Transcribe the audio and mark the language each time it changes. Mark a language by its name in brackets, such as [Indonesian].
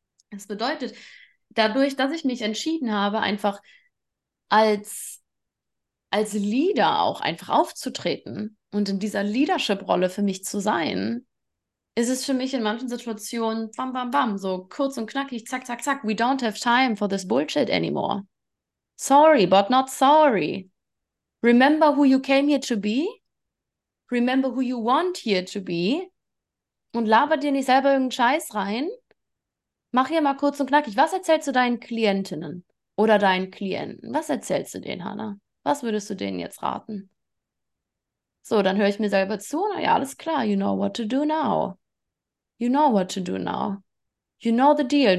[German] Das bedeutet, dadurch, dass ich mich entschieden habe, einfach als Leader auch einfach aufzutreten und in dieser Leadership-Rolle für mich zu sein, ist es für mich in manchen Situationen bam, bam, bam, so kurz und knackig, zack, zack, zack. [English] We don't have time for this bullshit anymore. Sorry, but not sorry. Remember who you came here to be. Remember who you want here to be. [German] Und laber dir nicht selber irgendeinen Scheiß rein. Mach hier mal kurz und knackig. Was erzählst du deinen Klientinnen oder deinen Klienten? Was erzählst du denen, Hannah? Was würdest du denen jetzt raten? So, dann höre ich mir selber zu. Na ja, alles klar. [English] You know what to do now. You know what to do now. You know the deal.